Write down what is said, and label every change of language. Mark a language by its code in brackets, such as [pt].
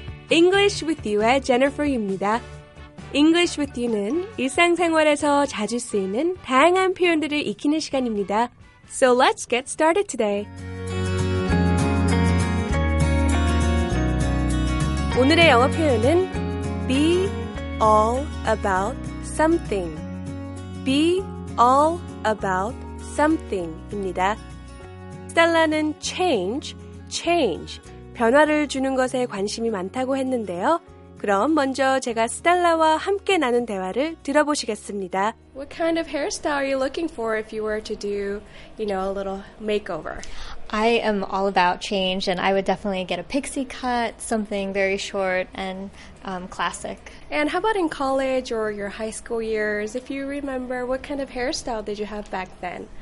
[ko] English with you의 Jennifer입니다. English with you는 일상생활에서 자주 쓰이는 다양한 표현들을 익히는 시간입니다. [en] So let's get started today. [ko] 오늘의 영어 표현은 [en] be all about something. Be all about something입니다. [ko] Stella는 change. 변화를 주는 것에 관심이 많다고 했는데요. 그럼 먼저 제가 스텔라와 함께 나눈 대화를 들어보시겠습니다. [en] What kind of hairstyle are you looking for if you were to do, you know, a little makeover? I am all about change and I would definitely get a pixie cut, something very short and classic. And how about in college or your high school years? If you remember, what kind of hairstyle did you have back then?